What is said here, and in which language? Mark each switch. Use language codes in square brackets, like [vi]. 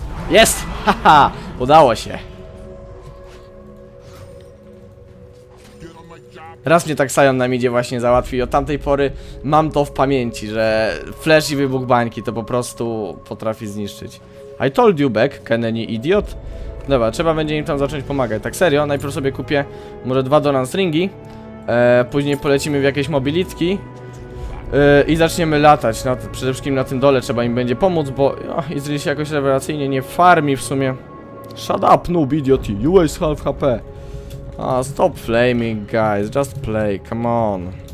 [pl] Jest! Haha! Udało się! Raz mnie tak Sion na midzie właśnie załatwił i od tamtej pory mam to w pamięci, że flash i wybuch bańki to po prostu potrafi zniszczyć. [en] I told you back, Kenny idiot. [pl] Dobra, trzeba będzie im tam zacząć pomagać. Tak serio, najpierw sobie kupię może dwa Doran's Ringi. Później polecimy w jakieś mobilitki i zaczniemy latać. Przede wszystkim na tym dole trzeba im będzie pomóc, bo Izrael się jakoś rewelacyjnie nie farmi w sumie. [en] Shut up, noob idiot, you waste half HP. Stop flaming, guys, just play, come on.